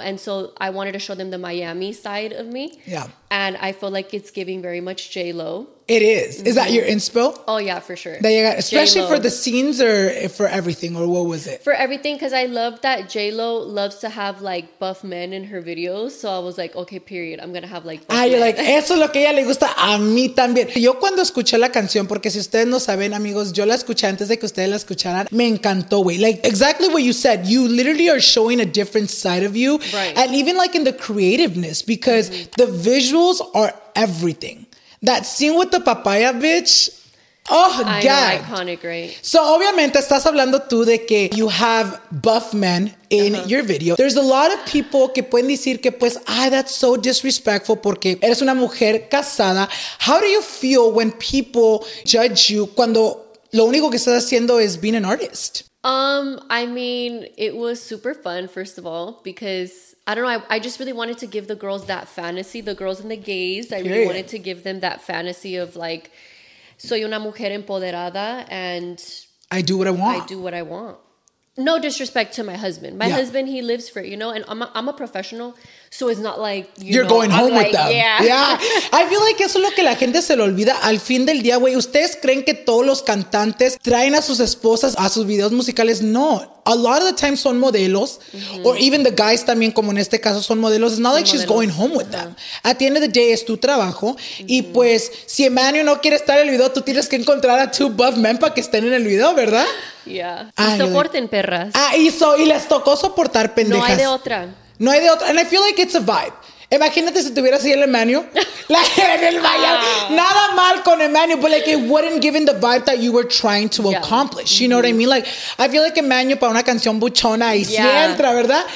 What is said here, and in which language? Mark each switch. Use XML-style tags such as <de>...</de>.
<en>And so I wanted to show them the Miami side of me. Yeah. And I feel like it's giving very much J-Lo. It is. Mm-hmm. Is that your inspo? Oh yeah, for sure. That you got, especially J-Lo. For the scenes or for everything or what was it? For everything, because I love that J-Lo loves to have like buff men in her videos. So I was like, okay, period. I'm going to have like buff men. You're like,</en> <es>eso es lo que ella le gusta a mí también. Yo cuando escuché la canción, porque si ustedes no saben, amigos, yo la escuché antes de que ustedes la escucharan, me encantó, güey.</es> <en>Like exactly what you said. You literally are showing a different side of you. Right. And even like in the creativeness, because the visuals are everything. That scene with the papaya, bitch. Oh, God. Iconic, right? So,</en> <es>obviamente, estás hablando tú de que</es> <en>you have buff men in your video. There's a lot of people</en> <es>que pueden decir que, pues, ay,</es> <en>that's so disrespectful</en> <es>porque eres una mujer casada.</es> <en>How do you feel when people judge you</en> <es>cuando lo único que estás haciendo</es> <en>is being an artist? I mean, it was super fun, first of all, because I don't know, I just really wanted to give the girls that fantasy, the girls and the gays. I really wanted to give them that fantasy of like,</en> <es>soy una mujer empoderada</es> <en>and I do what I want. I do what I want. No disrespect to my husband. My husband, he lives for it, you know, and I'm a professional. So it's not like, you're going home with them. Yeah. I feel like</en> <es>eso es lo que la gente se le olvida al fin del día, güey. ¿Ustedes creen que todos los cantantes traen a sus esposas a sus videos musicales? No.</es> <en>A lot of the time</en> <es>son modelos. Mm-hmm.</es> <en>Or even the guys</en> <es>también, como en este caso, son modelos.</es> <en>It's not like she's going home with them. At the end of the day,</en> <es>es tu trabajo.</es> <en>Mm-hmm.</en> <es>Y pues, si Emmanuel no quiere estar en el video, tú tienes que encontrar a</es> <en>two buff men</en> <es>para que estén en el video, ¿verdad? Yeah. Y soporten, perras. Ah, hizo. Y les tocó soportar, pendejas. No hay de otra. No hay de otra.</es> <en>And I feel like it's a vibe.</en> <es>Imagínate si tuviera así el Emmanuel. En el baile. Nada mal con Emmanuel,</es> <en>but like it wouldn't give him the vibe that you were trying to accomplish. Mm-hmm. You know what I mean? Like, I feel like</en> <es>Emmanuel para una canción buchona y si entra, ¿verdad?</es>